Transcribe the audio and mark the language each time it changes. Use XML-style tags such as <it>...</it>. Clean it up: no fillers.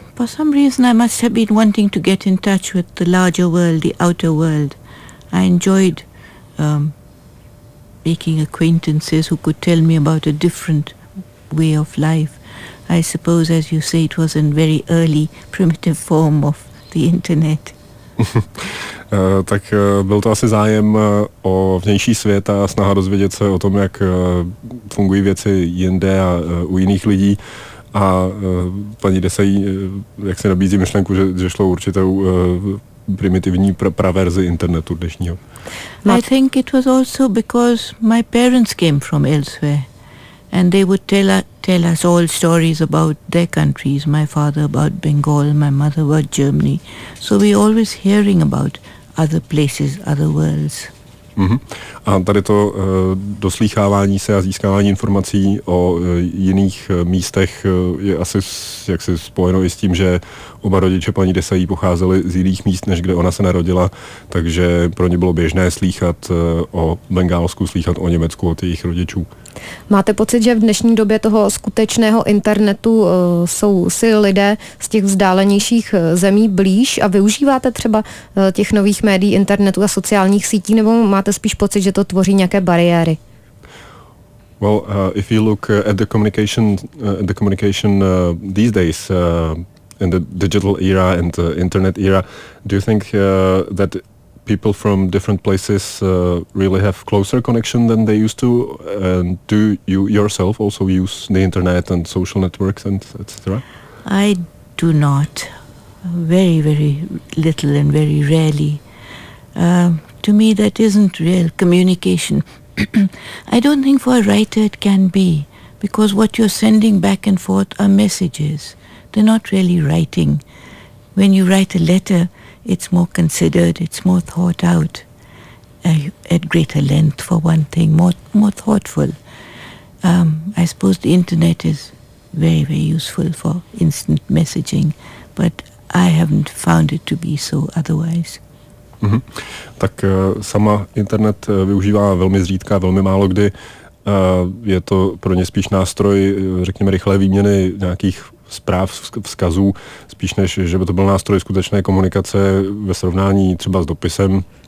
<en>For some reason, I must have been wanting to get in touch with the larger world, the outer world. I enjoyed making acquaintances who could tell me about a different way of life. I suppose, as you say, it was a very early primitive form of the internet.</en> <cs>Tak byl to asi zájem o vnější svět a snaha dozvědět se o tom, jak fungují věci jinde a u jiných lidí. A paní Desai, jak se nabízí myšlenku, že šlo určitou primitivní praverzi internetu dnešního.</cs> <en>I think it was also because my parents came from elsewhere and they would tell us all stories about their countries, my father about Bengal, my mother about Germany. So we always hearing about other places, other worlds. Mm-hmm.</en> <cs>A tady to doslýchávání se a získávání informací o jiných místech je asi jaksi spojeno i s tím, že oba rodiče paní Desai pocházeli z jiných míst, než kde ona se narodila, takže pro ně bylo běžné slýchat o Bengálsku, slýchat o Německu od jejich rodičů. Máte pocit, že v dnešní době toho skutečného internetu jsou si lidé z těch vzdálenějších zemí blíž a využíváte třeba těch nových médií, internetu a sociálních sítí, nebo máte spíš pocit, že to tvoří nějaké bariéry?</cs> <en>Well, if you look at the communication these days in the digital era and the internet era, do you think that people from different places really have closer connection than they used to, and do you yourself also use the internet and social networks and etc.? I do not. Very, very little and very rarely. To me that isn't real communication. I don't think for a writer it can be, because what you're sending back and forth are messages. They're not really writing. When you write a letter, it's more considered, it's more thought out, at greater length for one thing, more thoughtful. I suppose the internet is very, very useful for instant messaging, but I haven't found it to be so otherwise. Mm-hmm.</en> <cs>Tak sama internet využívá velmi zřídka, velmi málo kdy. Je to pro ně spíš nástroj, řekněme, rychlé výměny nějakých zpráv, vzkazů, spíš než, že by to byl nástroj skutečné komunikace ve srovnání třeba s dopisem.</cs>